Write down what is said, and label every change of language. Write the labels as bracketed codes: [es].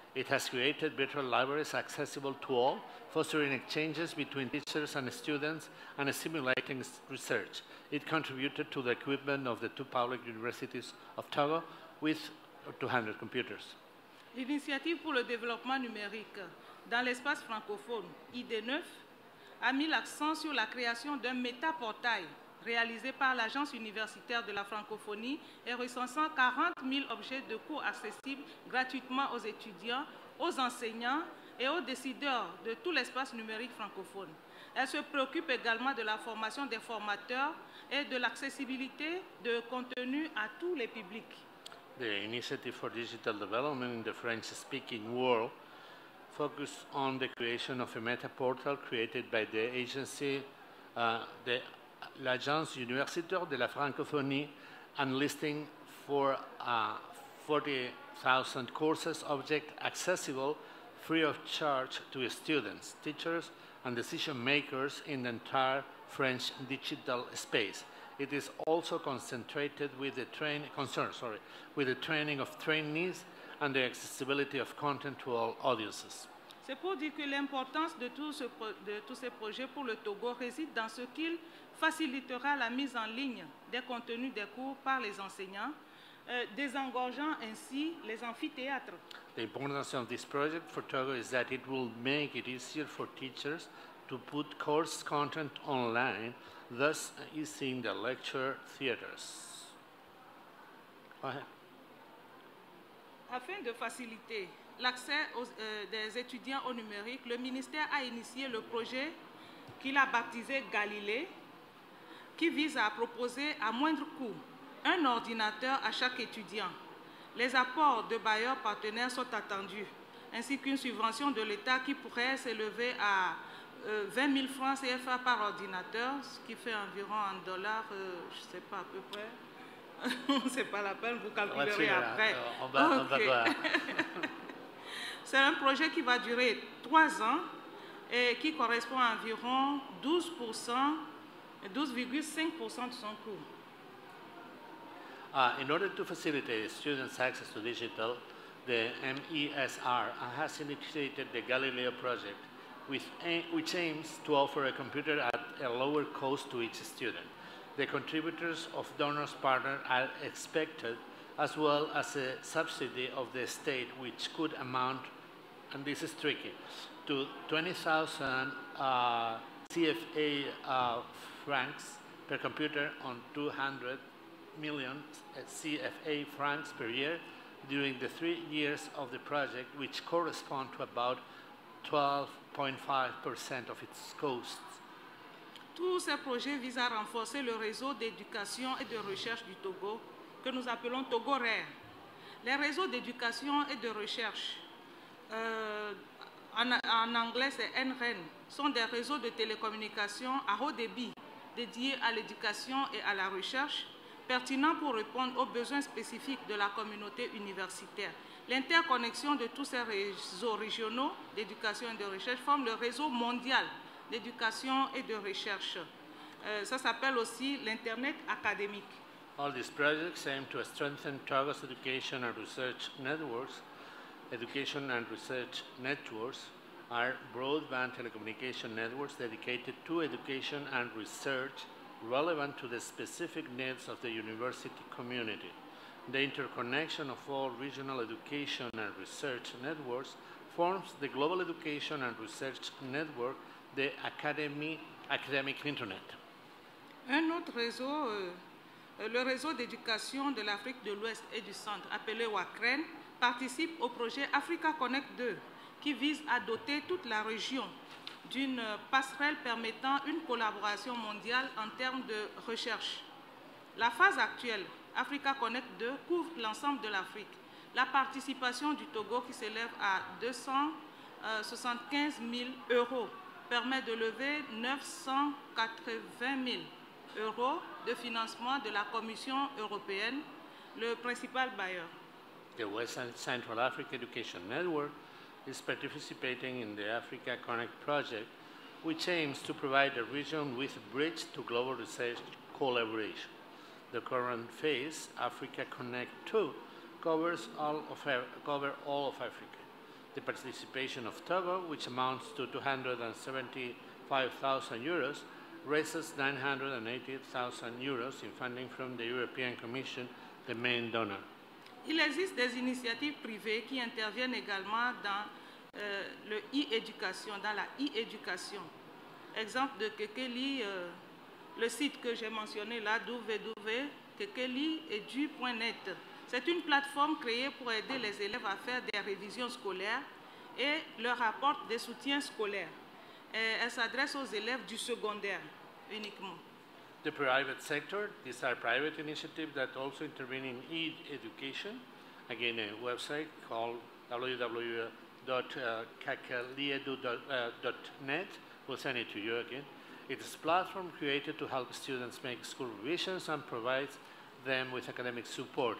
[en] It has created virtual libraries accessible to all, fostering exchanges between teachers and students and stimulating research. It contributed to the equipment of the two public universities of Togo with 200 computers. [fr] L'initiative pour le développement numérique dans l'espace francophone, ID9, a mis l'accent sur la création d'un métaportail réalisé par l'Agence universitaire de la francophonie et recensant 40 000 objets de cours accessibles gratuitement aux étudiants, aux enseignants et aux décideurs de tout l'espace numérique francophone. Elle se préoccupe également de la formation des formateurs et de l'accessibilité de contenu à tous les publics. [en] The Initiative for Digital Development in the French-speaking world focused on the creation of a meta portal created by the agency, the l'Agence Universitaire de la Francophonie, and listing for 40,000 courses objects accessible free of charge to students, teachers, and decision makers in the entire French digital space. It is also concentrated with the training of trainees and the accessibility of content to all audiences. [fr] C'est pour dire que l'importance de tous ces projets pour le Togo réside dans ce qu'il facilitera la mise en ligne des contenus des cours par les enseignants, désengorgeant ainsi les amphithéâtres. [en] The importance of this project for Togo is that it will make it easier for teachers to put course content online, thus easing the lecture theaters. Go ahead. [fr] Afin de faciliter l'accès des étudiants au numérique, le ministère a initié le projet qu'il a baptisé Galilée, qui vise à proposer à moindre coût un ordinateur à chaque étudiant. Les apports de bailleurs partenaires sont attendus. ainsi qu'une subvention de l'État qui pourrait s'élever à 20 000 francs CFA par ordinateur, ce qui fait environ un dollar, je ne sais pas, à peu près. C'est pas la peine, vous calculerez après. On va voir. C'est un projet qui va durer 3 ans et qui correspond à environ 12%, 12,5% de son coût. [en] In order to facilitate students' access to digital, the MESR has initiated the Galileo project, which aims to offer a computer at a lower cost to each student. The contributors of donors' partner are expected, as well as a subsidy of the state, which could amount, and this is tricky, to 20,000 CFA francs per computer on 200 million CFA francs per year during the 3 years of the project, which correspond to about 12.5% of its costs. [fr] Tous ces projets visent à renforcer le réseau d'éducation et de recherche du Togo, que nous appelons Togo RER. Les réseaux d'éducation et de recherche, en anglais c'est NREN, sont des réseaux de télécommunications à haut débit dédiés à l'éducation et à la recherche, pertinents pour répondre aux besoins spécifiques de la communauté universitaire. L'interconnexion de tous ces réseaux régionaux d'éducation et de recherche forme le réseau mondial d'éducation et de recherche. Ça s'appelle aussi l'Internet académique. [en] All these projects aim to strengthen Togo's education and research networks. Education and research networks are broadband telecommunication networks dedicated to education and research relevant to the specific needs of the university community. The interconnection of all regional education and research networks forms the global education and research network, the academic internet. [fr] Un autre réseau, le réseau d'éducation de l'Afrique de l'Ouest et du Centre, appelé WACREN, participe au projet Africa Connect 2, qui vise à doter toute la région d'une passerelle permettant une collaboration mondiale en termes de recherche. La phase actuelle, Africa Connect 2, couvre l'ensemble de l'Afrique. La participation du Togo, qui s'élève à 275 000 euros, permet de lever 980 000 euros de financement de la Commission européenne, le principal bailleur. [en] The Western Central Africa Education Network is participating in the Africa Connect project, which aims to provide the region with a bridge to global research collaboration. The current phase, Africa Connect 2, covers all of Africa. The participation of Togo, which amounts to 275,000 euros, raises 980,000 euros in funding from the European Commission, the main donor. [fr] Il existe des initiatives privées qui interviennent également dans la e-éducation. Exemple de Kekeli, le site que j'ai mentionné là, www.kekeliedu.net. C'est une plateforme créée pour aider les élèves à faire des révisions scolaires et leur apporte des soutiens scolaires. Et elle s'adresse aux élèves du secondaire uniquement. [en] The private sector, these are private initiatives that also intervene in e-education. Again, a website called www.kekeliedu.net. We'll send it to you again. It's a platform created to help students make school revisions and provides them with academic support.